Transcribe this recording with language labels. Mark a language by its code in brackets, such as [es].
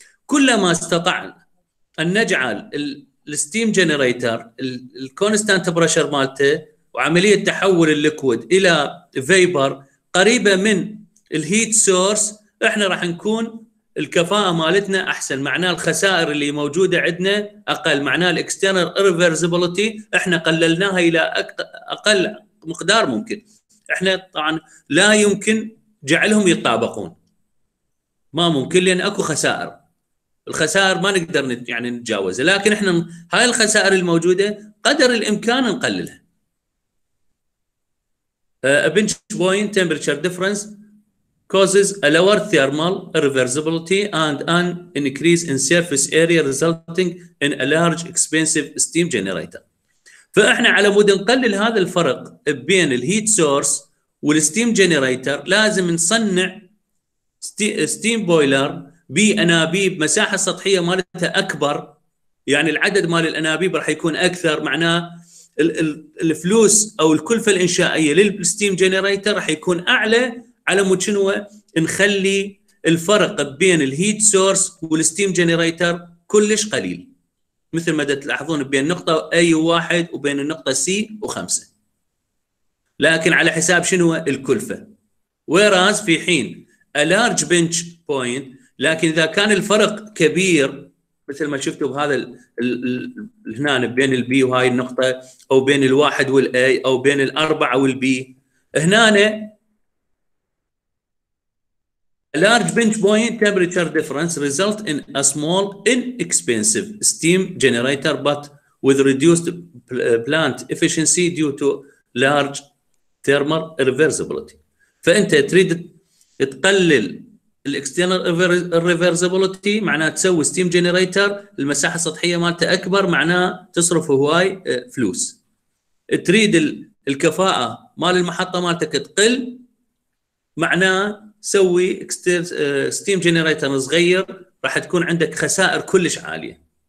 [ar] كلما استطعنا ان نجعل الستيم جنريتر الكونستانت بريشر مالته وعمليه تحول الليكويد الى فيبر قريبه من الهيت سورس، احنا راح نكون الكفاءه مالتنا احسن، معناه الخسائر اللي موجوده عندنا اقل، معناه الاكسترنال ريفرسيبيليتي احنا قللناها الى اقل مقدار ممكن. احنا طبعا لا يمكن جعلهم يتطابقون، ما ممكن، لان اكو خسائر، الخسائر ما نقدر يعني نتجاوزها، لكن احنا هاي الخسائر الموجوده قدر الامكان نقللها. [en] A pinch point temperature difference causes a lower thermal irreversibility and an increase in surface area resulting in a large expensive steam generator. [ar] فاحنا على مود نقلل هذا الفرق بين الهيت سورس والستيم جنريتر، لازم نصنع ستيم بويلر بأنابيب مساحة سطحية مالتها أكبر، يعني العدد مال الأنابيب راح يكون أكثر، معناه الفلوس أو الكلفة الإنشائية للستيم جنريتر راح يكون أعلى على مود شنو؟ نخلي الفرق بين الهيت سورس والستيم جنريتر كلش قليل، مثل ما تلاحظون بين نقطة أي واحد وبين النقطة سي وخمسة، لكن على حساب شنو الكلفة. [en] Whereas [ar] في حين [en] a large bench point، [ar] لكن إذا كان الفرق كبير مثل ما شفتوا بهذا هنا بين البي وهاي النقطة، أو بين الواحد والأي، أو بين الأربعة والبي، هنا [en] a large bench point temperature difference result in a small inexpensive steam generator but with reduced plant efficiency due to large thermal irreversibility. [ar] فانت تريد تقلل الاكسترنال ريفرسيبلتي، معناه تسوي ستيم جنريتر المساحه السطحيه مالته اكبر، معناه تصرف هواي فلوس. تريد الكفاءه مال المحطه مالتك تقل، معناه سوي ستيم جنريتر صغير، راح تكون عندك خسائر كلش عاليه.